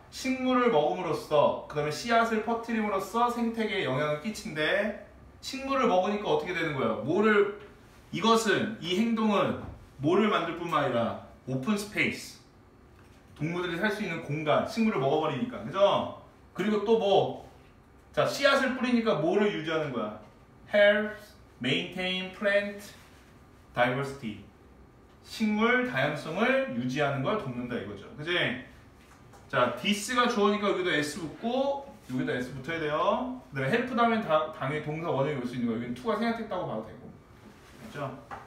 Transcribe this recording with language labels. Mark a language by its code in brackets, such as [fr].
[ko] 식물을 먹음으로써, 그 다음에 씨앗을 퍼뜨림으로써 생태계에 영향을 끼친데, 식물을 먹으니까 어떻게 되는 거야? 뭐를, 이것은, 이 행동은 뭐를 만들 뿐만 아니라 오픈 스페이스. 동물들이 살 수 있는 공간. 식물을 먹어버리니까. 그죠? 그리고 또 뭐? 자, 씨앗을 뿌리니까 뭐를 유지하는 거야? [en] Helps maintain plant diversity. [ko] 식물 다양성을 유지하는 걸 돕는다 이거죠. 그치? 자, this가 주어니까 여기도 s 붙고, 여기도 s 붙어야 돼요. 그 다음에 help 다음엔 당연히 동사 원형이 올 수 있는 거야. 여기는 to가 생략됐다고 봐도 되고. 맞죠?